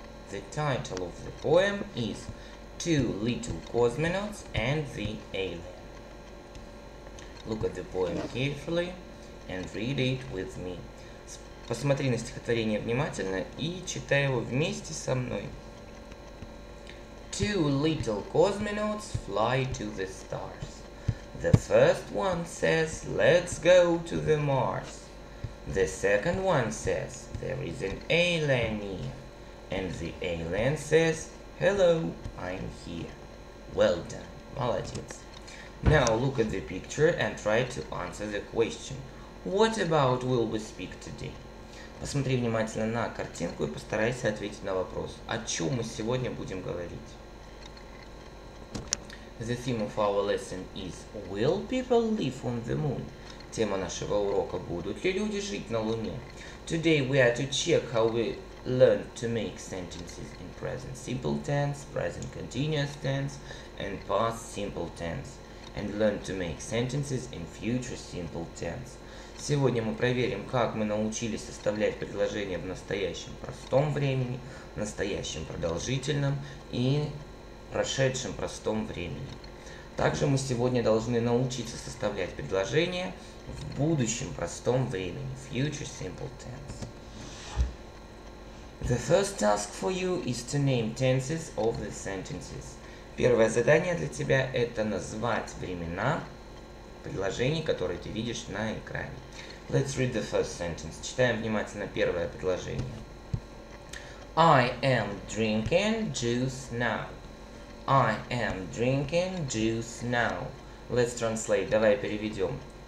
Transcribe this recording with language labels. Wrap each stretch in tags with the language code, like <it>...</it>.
<en>The title of the poem is Two Little Cosmonauts and the Alien. Look at the poem carefully and read it with me.</en> <ru>Посмотри на стихотворение внимательно и читай его вместе со мной.</ru> <en>Two little cosmonauts fly to the stars. The first one says, let's go to the Mars. The second one says, there is an alien here. And the alien says, hello, I'm here. Well done.</en> <ru>Молодец.</ru> <en>Now look at the picture and try to answer the question. What about will we speak today?</en> <ru>Посмотри внимательно на картинку и постарайся ответить на вопрос. О чем мы сегодня будем говорить?</ru> <en>The theme of our lesson is Will people live on the moon?</en> <ru>Тема нашего урока будут ли люди жить на Луне?</ru> <en>Today we are to check how we learn to make sentences in present simple tense, present continuous tense, and past simple tense, and learn to make sentences in future simple tense.</en> <ru>Сегодня мы проверим, как мы научились составлять предложения в настоящем простом времени, в настоящем продолжительном и прошедшем простом времени. Также мы сегодня должны научиться составлять предложения в будущем простом времени, future simple tense.</ru> <en>The first task for you is to name tenses of the sentences.</en> <ru>Первое задание для тебя – это назвать времена предложений, которые ты видишь на экране.</ru> <en>Let's read the first sentence.</en> <ru>Читаем внимательно первое предложение.</ru> <en>I am drinking juice now. I am drinking juice now. Let's translate.</en> <ru>Давай переведем.</ru>